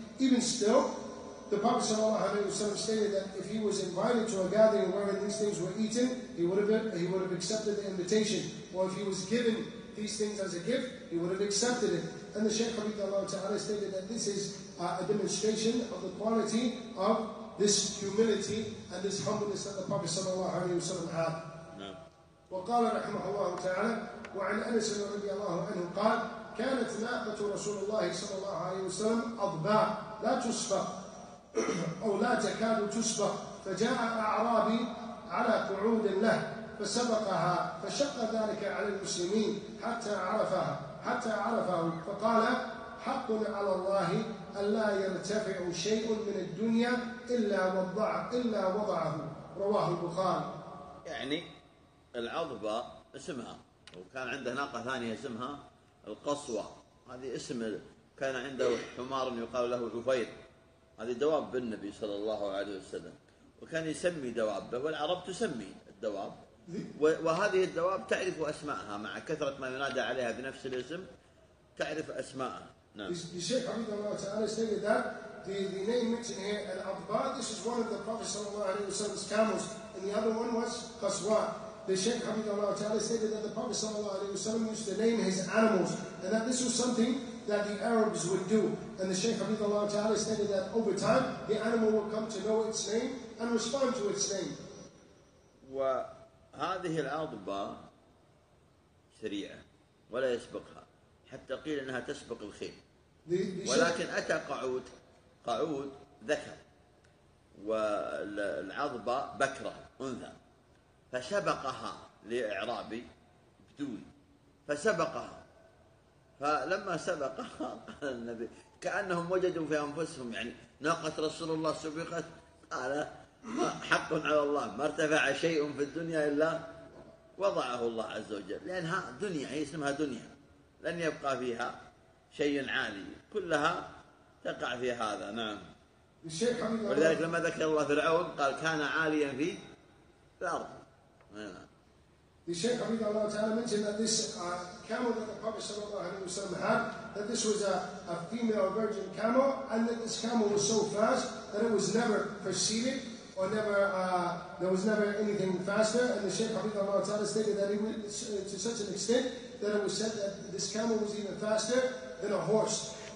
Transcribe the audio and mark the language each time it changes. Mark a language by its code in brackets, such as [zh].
[en] Even still, the Prophet sallallahu alaihi wasallam stated that if he was invited to a gathering where these things were eaten, he would have accepted the invitation. Or if he was given these things as a gift, he would have accepted it. And the Shaykh Habibullah ta'ala stated that this is a demonstration of the quality of this humility and this humbleness that the Prophet sallallahu alaihi wasallam had. [ar] وقال رحمه الله تعالى وعن أنس رضي الله عنه قال كانت ناقة رسول الله صلى الله عليه وسلم أضباء لا تصفى أو لا تكاد تصفى، فجاء أعرابي على قعود له فسبقها فشق ذلك على المسلمين حتى عرفه فقال حق على الله ألا يرتفع شيء من الدنيا إلا وضعه. رواه البخاري. يعني العظبة اسمها، وكان عنده ناقة ثانية اسمها القصوى، هذه اسم كان عنده حمار يقال له عفير، هذه دواب بالنبي صلى الله عليه وسلم، وكان يسمي دوابه، والعرب تسمي الدواب، وهذه الدواب تعرف أسماءها مع كثرة ما ينادى عليها بنفس الاسم تعرف أسماءها. نعم. الشيخ عبد الله تعالى سمي [en] the name mentioned here, العظبة, this is one of the Prophet صلى الله عليه وسلم's camels, and the other one was قصوى. The Shaykh Habibullah Ta'ala stated that the Prophet Sallallahu Alaihi Wasallam used to name his animals, and that this was something that the Arabs would do. And the Shaykh Habibullah Ta'ala stated that over time, the animal would come to know its name and respond to its name. [ar] وهذه العظبة سريعة ولا يسبقها، حتى قيل أنها تسبق الخيل. ولكن أتى قعود ذكر، والعظبة بكرة أنثى. فسبقها لإعرابي بدوي، فسبقها، فلما سبقها قال النبي كأنهم وجدوا في أنفسهم، يعني ناقة رسول الله سبقت، قال حق على الله ما ارتفع شيء في الدنيا إلا وضعه الله عز وجل، لأنها دنيا، هي اسمها دنيا، لن يبقى فيها شيء عالي، كلها تقع في هذا. نعم. ولذلك لما ذكر الله فرعون قال كان عاليا في الأرض. [en] The Shaykh Habibullah Ta'ala mentioned that this camel that the Prophet Sallallahu Alaihi Wasallam had, that this was a female virgin camel, and that this camel was so fast that it was never preceded, or never there was never anything faster. And the Shaykh Habibullah Ta'ala stated that he went to such an extent that it was said that this camel was even faster than a horse.